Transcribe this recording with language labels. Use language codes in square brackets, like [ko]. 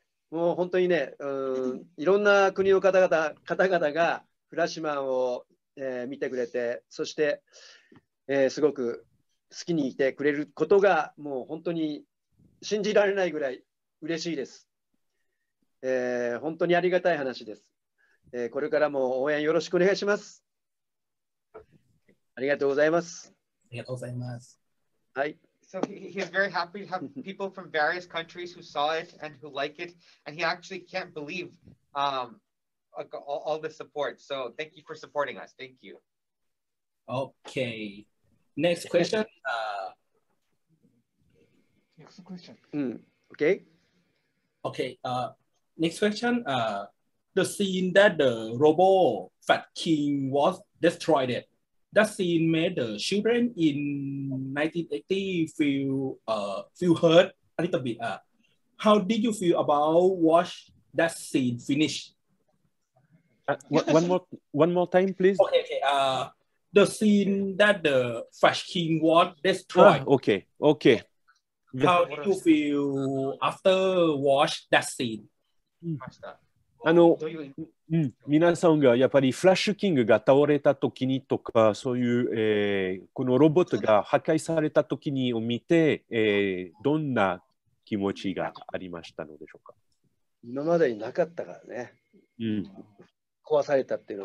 [ja] もう本当にね、いろんな国の方々がフラッシュマンを、見てくれて、そして、すごく好きにいてくれることがもう本当に信じられないぐらい嬉しいです。本当にありがたい話です。これからも応援よろしくお願いします。ありがとうございます。ありがとうございます。はい。 [en] So he is very happy to have people from various countries who saw it and who like it. And he actually can't believe all the support. So thank you for supporting us. Thank you. Okay. Next question. Next question. Okay. Okay. Next question. The scene that the Robo Fat King was destroyed it. That scene made the children in 1980 feel hurt a little bit. How did you feel about watch that scene finish? One more time, please. Okay. The scene that the Flash King was destroyed. Okay. How did you feel after watch that scene? [ja] あの、皆さんがやっぱりフラッシュキングが倒れた時にとかそういう、このロボットが破壊された時にを見て、どんな気持ちがありましたのでしょうか。今までになかったからね、壊されたっていうの